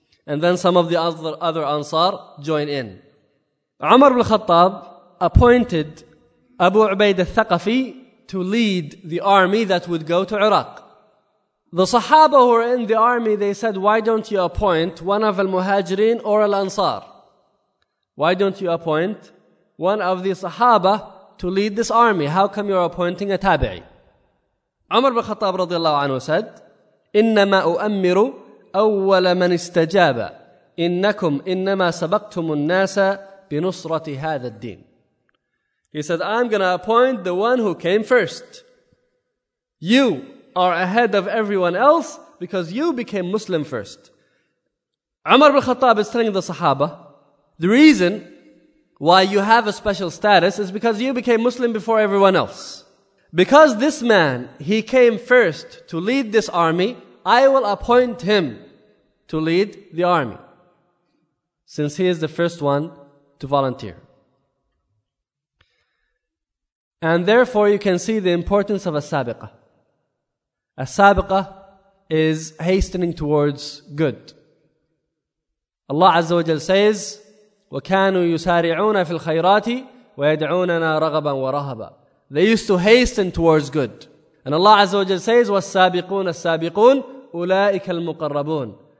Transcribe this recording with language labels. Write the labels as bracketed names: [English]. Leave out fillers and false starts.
[English] And then some of the other Ansar join in. Umar ibn al-Khattab appointed Abu Ubaid al-Thaqafi to lead the army that would go to Iraq. The Sahaba who were in the army, they said, why don't you appoint one of al-Muhajirin or al-Ansar? Why don't you appoint one of the Sahaba to lead this army? How come you're appointing a tabi'i? Umar ibn al-Khattab radiallahu anhu said, [Arabic] إِنَّمَا أُؤَمِّرُ أَوَّلَ مَنِ اسْتَجَابَ إِنَّكُمْ إِنَّمَا سَبَقْتُمُ النَّاسَ بِنُصْرَةِ هَذَا الدِّينِ. [English] He said, I'm going to appoint the one who came first. You are ahead of everyone else because you became Muslim first. Umar ibn al-Khattab is telling the Sahaba, the reason why you have a special status is because you became Muslim before everyone else. Because this man, he came first to lead this army, I will appoint him to lead the army, since he is the first one to volunteer. And therefore, you can see the importance of a sabiqa. A sabiqa is hastening towards good. Allah Azza wa Jalla says, [Arabic] وَكَانُوا يُسَارِعُونَ فِي الْخَيْرَاتِ وَيَدْعُونَنَا رَغَبًا وَرَهَبًا. [English] They used to hasten towards good. And Allah Azza wa Jalla says, [Arabic] وَالسَّابِقُونَ السَّابِقُونَ أُولَٰئِكَ الْمُقَرَّبُونَ.